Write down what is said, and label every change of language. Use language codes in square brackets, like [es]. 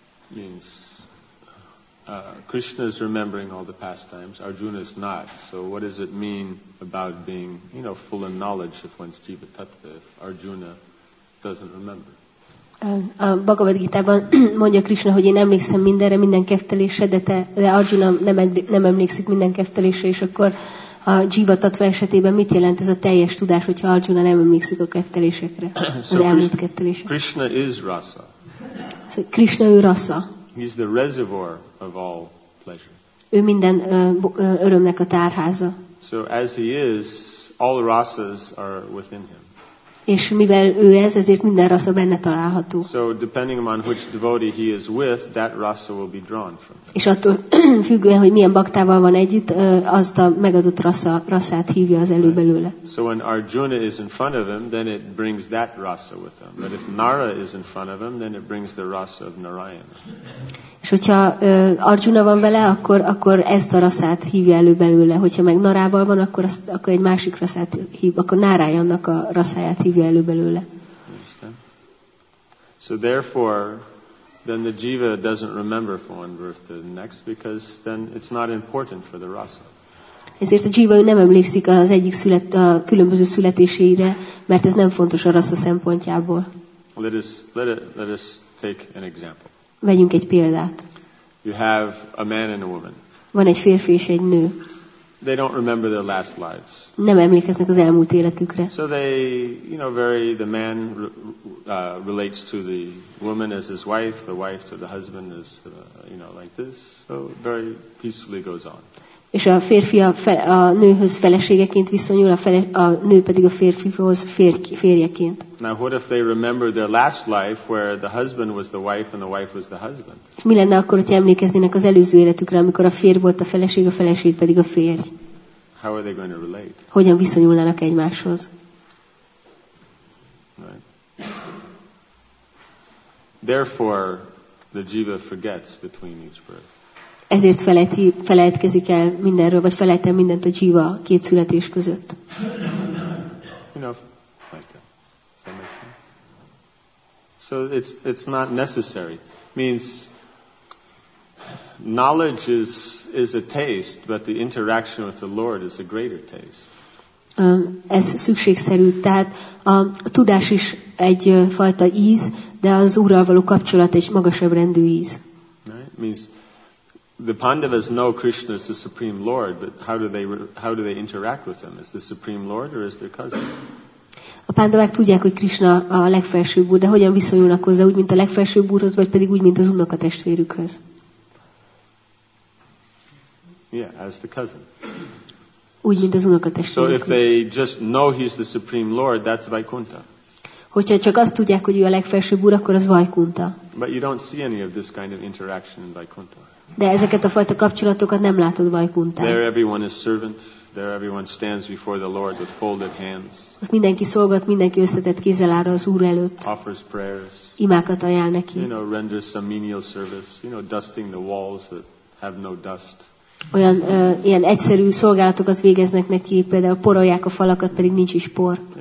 [en] Means Krishna is remembering all the pastimes, Arjuna is not. So what does it mean about being, you know, full in knowledge if one's jiva tattva, if Arjuna doesn't remember? [hu] A Bhagavad Gita-ban mondja Krishna, hogy én emlékszem mindenre, minden keftelésre, de Arjuna nem emlékszik minden keftelésre, és akkor a jiva tattva esetében mit jelent ez a teljes tudás, hogyha Arjuna nem emlékszik a keftelésekre, az elmúlt keftelésekre? [en] Krishna is rasa. [hu] So, Krishna ő rasa. [en] He's the reservoir of all pleasure. [hu] Ő minden örömnek a tárháza. [en] So as he is, all rasas are within him. [hu] És mivel ő ez, ezért minden rasa benne található. [en] So depending on which devotee he is with, that rasa will be drawn from. [hu] És attól függően, hogy milyen baktával van együtt, azt a megadott rasát hívja az elő belőle. [en] So when Arjuna is in front of him, then it brings that rasa with him. But if Nara is in front of him, then it brings the rasa of Narayana. [hu] És hogyha Arjuna van vele, akkor ezt a rasát hívja elő belőle. Hogyha meg Narával van, akkor egy másik rasát hív, akkor Narayannak a rasáját hívja elő belőle. [en] So therefore, then the jiva doesn't remember from one birth to the next, because then it's not important for the rasa. [hu] Ezért a jiva nem emlékszik az egyik a különböző születésére, mert ez nem fontos a rasa szempontjából. [en] Let us take an example. [hu] Vegyünk egy példát. [en] You have a man and a woman. [hu] Van egy férfi és egy nő. [en] They don't remember their last lives. [hu] Nem emlékeznek az elmúlt életükre. [en] So they, you know, very the man relates to the woman as his wife, the wife to the husband as you know, like this. So very peacefully goes on. [hu] És a férfi a nőhöz feleségeként viszonyul, a nő pedig a férfihoz férjeként. [en] Now what if they remember their last life where the husband was the wife and the wife was the husband? [hu] És mi lenne akkor, hogyha emlékeznének az előző életükre, amikor a férj volt a feleség pedig a férj? [en] How are they going to relate? [hu] Hogyan viszonyulnának egymáshoz? [en] Right. Therefore, the jiva forgets between each birth. [hu] Ezért felejtkezik el mindenről, vagy felejt el mindent a jiva két születés között. [en] You know, like that. Does that make sense? So it's not necessary. Means knowledge is a taste, but the interaction with the Lord is a greater taste. [hu] Ez szükségszerű. Tehát a tudás is egy fajta íz, de az Úrral való kapcsolat egy magasabb rendű íz. [en] Right? Means the Pandavas know Krishna is the Supreme Lord, but how do they interact with him? Is the Supreme Lord or is their cousin? [hu] A Pandavák tudják, hogy Krishna a legfelsőbb úr, de hogyan viszonyulnak hozzá, úgy mint a legfelsőbb úrhoz, vagy pedig úgy mint az unokatestvérükhöz? [en] Yeah, as the cousin. [hu] Úgy mint az unokatestvérükhöz. [en] So if they just know he's the Supreme Lord, that's Vaikuntha. [hu] Hogyha csak azt tudják, hogy ő a legfelsőbb úr, akkor az Vaikuntha. [en] But you don't see any of this kind of interaction in Vaikuntha. [hu] De ezeket a fajta kapcsolatokat nem látod Vaikunthán. [en] There everyone is servant. There everyone stands before the Lord with folded hands. [hu] Ott mindenki szolgat, mindenki összetett kézzel áll az Úr előtt. [en] Offers prayers. [hu] Imákat ajánl neki. [en] You know, renders some menial service. You know, dusting the walls that have no dust. [hu] olyan ilyen egyszerű szolgálatokat végeznek neki, például porolják a falakat, pedig nincs is por.